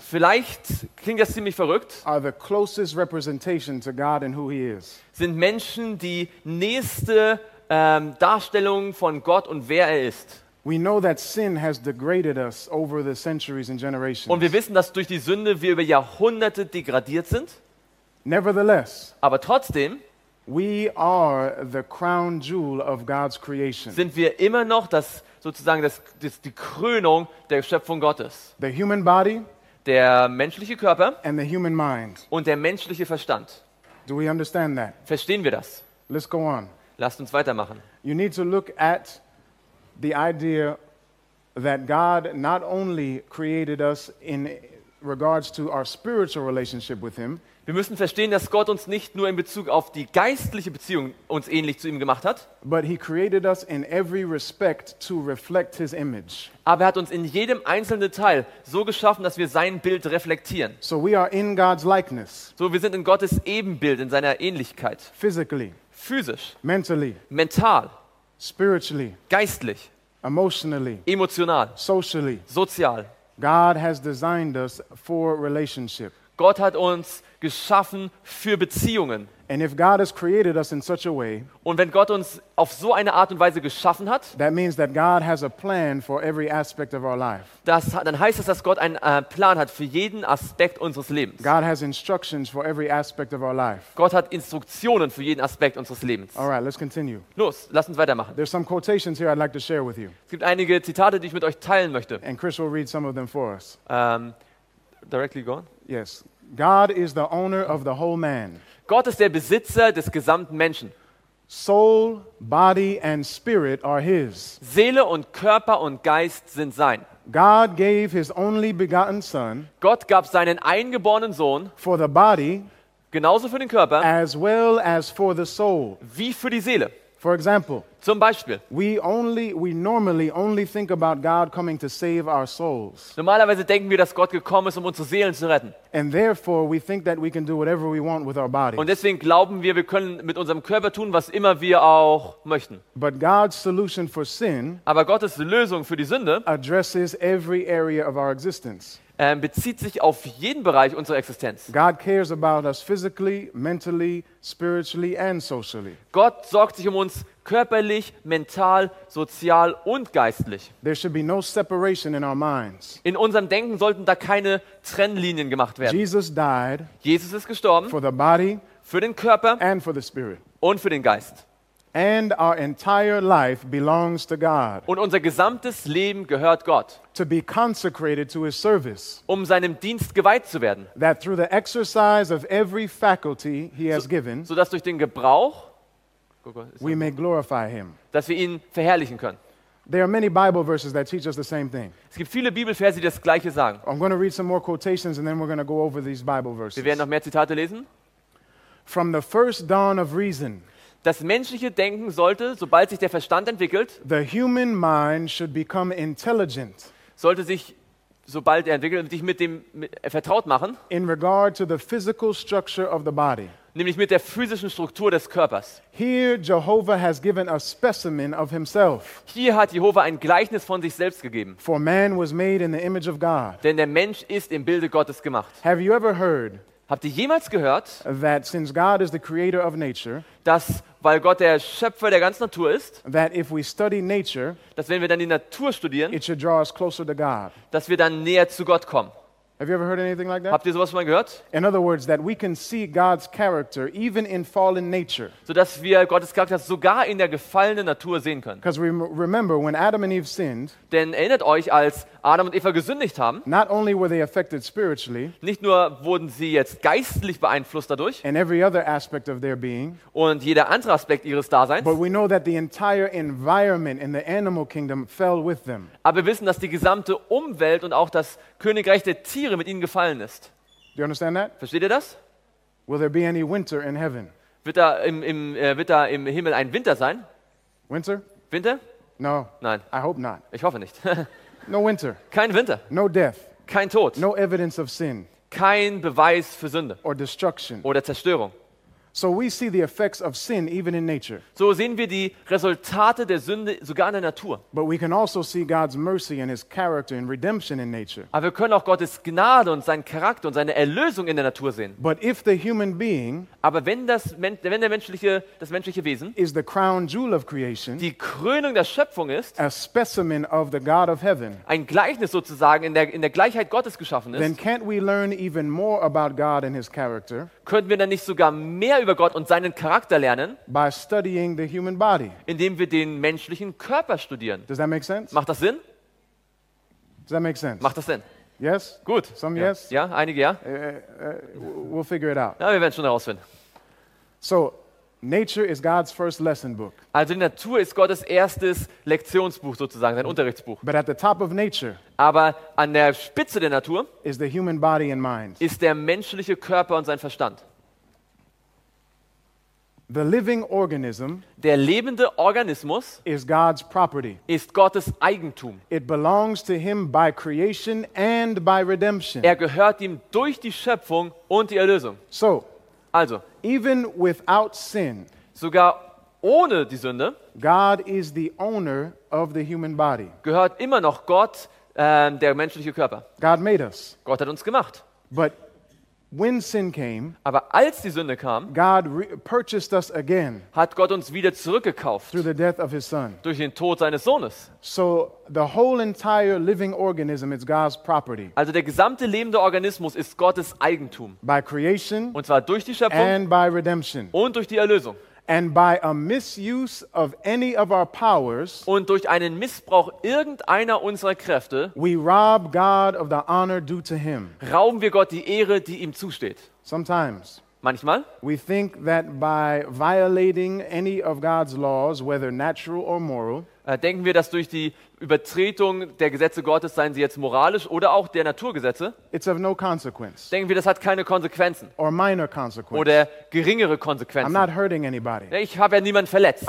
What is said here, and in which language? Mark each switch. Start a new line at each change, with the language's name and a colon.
German: vielleicht klingt das ziemlich verrückt,
English: are the closest representation to God and who he is.
German: Sind Menschen die nächste Darstellung von Gott und wer er ist.
English: We know that sin has degraded us over the centuries and generations.
German: Und wir wissen, dass durch die Sünde wir über Jahrhunderte degradiert sind.
English: Nevertheless,
German: aber trotzdem,
English: we are the crown jewel of God's creation.
German: Sind wir immer noch das sozusagen das die Krönung der Schöpfung Gottes.
English: The human body,
German: der menschliche Körper,
English: and the human mind,
German: und der menschliche Verstand.
English: Do we understand that?
German: Verstehen wir das?
English: Let's go on.
German: Lasst uns weitermachen.
English: You need to look at the idea that God not only created us in regards to our spiritual relationship with him.
German: Wir müssen verstehen, dass Gott uns nicht nur in Bezug auf die geistliche Beziehung uns ähnlich zu ihm gemacht hat.
English: But he created us in every respect to reflect his image.
German: Aber er hat uns in jedem einzelnen Teil so geschaffen, dass wir sein Bild reflektieren.
English: So we are in God's likeness.
German: So wir sind in Gottes Ebenbild, in seiner Ähnlichkeit.
English: Physically.
German: Physisch.
English: Mentally.
German: Mental.
English: Spiritually.
German: Geistlich.
English: Emotionally.
German: Emotional.
English: Socially.
German: Sozial.
English: God has designed us for relationship.
German: Gott hat uns geschaffen für Beziehungen.
English: And if God has created us in such a way,
German: und wenn Gott uns auf so eine Art und Weise geschaffen hat,
English: that means that God has a plan for every aspect of our life.
German: Dann heißt es, dass Gott einen Plan hat für jeden Aspekt unseres Lebens.
English: God has instructions for every aspect of our life.
German: Gott hat Instruktionen für jeden Aspekt unseres Lebens.
English: All right, let's continue.
German: Los, lasst uns weitermachen.
English: There's some quotations here I'd like to share with you.
German: Es gibt einige Zitate, die ich mit euch teilen möchte.
English: And Chris will read some of them for us. Directly go on. Yes. God is the owner of the whole man.
German: Gott ist der Besitzer des gesamten Menschen.
English: Soul, body and spirit are his.
German: Seele und Körper und Geist sind sein.
English: God gave his only begotten son.
German: Gott gab seinen eingeborenen Sohn.
English: For the body,
German: genauso für den Körper.
English: As well as for the soul.
German: Wie für die Seele.
English: For example,
German: zum Beispiel,
English: we normally only think about God coming to save our souls.
German: Normalerweise denken wir, dass Gott gekommen ist, um unsere Seelen zu retten.
English: And therefore, we think that we can do whatever we want with our bodies.
German: Und deswegen glauben wir können mit unserem Körper tun, was immer wir auch möchten.
English: But God's solution for sin,
German: aber Gottes Lösung für die Sünde,
English: addresses every area of our existence.
German: Bezieht sich auf jeden Bereich unserer Existenz.
English: God cares about us physically, mentally, spiritually and socially.
German: Gott sorgt sich um uns körperlich, mental, sozial und geistlich.
English: There should be no separation in our minds.
German: In unserem Denken sollten da keine Trennlinien gemacht werden.
English: Jesus died.
German: Jesus ist gestorben.
English: For the body,
German: für den Körper
English: and for the spirit.
German: Und für den Geist.
English: And our entire life belongs to God.
German: Und unser gesamtes Leben gehört Gott.
English: To be consecrated to his service.
German: Um seinem Dienst geweiht zu werden.
English: That through the exercise of every faculty he has given.
German: So dass durch den Gebrauch
English: we may glorify him.
German: Dass wir ihn verherrlichen können.
English: There are many Bible verses that teach us the same thing.
German: Es gibt viele Bibelverse, die das gleiche sagen.
English: I'm going to read some more quotations and then we're going to go over these Bible verses.
German: Wir werden noch mehr Zitate lesen.
English: From the first dawn of reason.
German: Das menschliche Denken sollte, sobald sich der Verstand entwickelt,
English: the human mind should become intelligent.
German: Sollte sich, sobald er entwickelt, sich mit dem vertraut machen.
English: In regard to the physical structure of the body.
German: Nämlich mit der physischen Struktur des Körpers.
English: Here Jehovah has given a specimen of himself.
German: Hier hat Jehovah ein Gleichnis von sich selbst gegeben.
English: For man was made in the image of God.
German: Denn der Mensch ist im Bilde Gottes gemacht.
English: Have you ever heard?
German: Habt ihr jemals gehört,
English: that since God is the creator of nature,
German: dass, weil Gott der Schöpfer der ganzen Natur ist,
English: that if we study nature,
German: dass wenn wir dann die Natur studieren,
English: it should draw us closer to God.
German: Dass wir dann näher zu Gott kommen.
English: Have you ever heard anything like that?
German: Habt ihr sowas schon mal gehört?
English: In other words, that we can see God's character even in fallen nature.
German: So dass wir Gottes Charakter sogar in der gefallenen Natur sehen können.
English: Because we remember when Adam and Eve sinned.
German: Denn erinnert euch, als Adam und Eva gesündigt haben.
English: Not only were they affected spiritually.
German: Nicht nur wurden sie jetzt geistlich beeinflusst dadurch.
English: And every other aspect of their being.
German: Und jeder andere Aspekt ihres Daseins.
English: But we know that the entire environment in the animal kingdom fell with them.
German: Aber wir wissen, dass die gesamte Umwelt und auch das Königreich der Tiere mit ihnen gefallen ist.
English: Do you understand that?
German: Versteht ihr das?
English: Will there be any winter in heaven?
German: Wird da im Himmel ein Winter sein?
English: Winter?
German: Winter?
English: No.
German: Nein.
English: I hope not.
German: Ich hoffe nicht.
English: No winter.
German: Kein Winter.
English: No death.
German: Kein Tod.
English: No evidence of sin.
German: Kein Beweis für Sünde.
English: Or destruction.
German: Oder Zerstörung.
English: So we see the effects of sin even in nature.
German: So sehen wir die Resultate der Sünde sogar in der Natur.
English: But we can also see God's mercy and his character and redemption in nature.
German: Aber wir können auch Gottes Gnade und seinen Charakter und seine Erlösung in der Natur sehen.
English: But if the human being,
German: aber wenn das menschliche Wesen
English: is the crown jewel of creation,
German: die Krönung der Schöpfung ist,
English: a specimen of the God of heaven,
German: ein Gleichnis sozusagen in der Gleichheit Gottes geschaffen ist,
English: then can't we learn even more about God and his character?
German: Könnten wir dann nicht sogar mehr über Gott und seinen Charakter lernen,
English: by studying the human body.
German: Indem wir den menschlichen Körper studieren.
English: Does that make sense?
German: Macht das Sinn?
English: Does that make sense?
German: Macht das Sinn?
English: Yes?
German: Gut.
English: Some
German: ja.
English: Yes?
German: Ja, einige ja.
English: We'll figure it out.
German: Ja, wir werden es schon herausfinden.
English: So, nature is God's first lesson book.
German: Also die Natur ist Gottes erstes Lektionsbuch sozusagen, sein Unterrichtsbuch.
English: But at the top of nature,
German: aber an der Spitze der Natur
English: is the human body and mind.
German: Ist der menschliche Körper und sein Verstand.
English: The living organism,
German: der lebende Organismus,
English: is God's property.
German: Ist Gottes Eigentum.
English: It belongs to him by creation and by redemption.
German: Er gehört ihm durch die Schöpfung und die Erlösung.
English: So,
German: also,
English: even without sin,
German: sogar ohne die Sünde,
English: God is the owner of the human body.
German: Gehört immer noch Gott, der menschliche Körper.
English: God made us.
German: Gott hat uns gemacht.
English: But when sin came,
German: aber als die Sünde kam,
English: God purchased us again,
German: hat Gott uns wieder zurückgekauft,
English: through the death of his son,
German: durch den Tod seines Sohnes.
English: So the whole entire living organism is God's property.
German: Also der gesamte lebende Organismus ist Gottes Eigentum.
English: By creation,
German: und zwar durch die Schöpfung,
English: and by redemption,
German: und durch die Erlösung.
English: And by a misuse of any of our powers,
German: und durch einen Missbrauch irgendeiner unserer Kräfte,
English: we rob God of the honor due to him.
German: Rauben wir Gott die Ehre, die ihm zusteht.
English: Sometimes,
German: manchmal,
English: we think that by violating any of God's laws, whether natural or moral,
German: denken wir, dass durch die Übertretung der Gesetze Gottes, seien sie jetzt moralisch oder auch der Naturgesetze,
English: it's of no consequence.
German: Denken wir, das hat keine Konsequenzen.
English: Or minor consequence.
German: Oder geringere Konsequenzen.
English: I'm not hurting anybody.
German: Ich habe ja niemanden verletzt.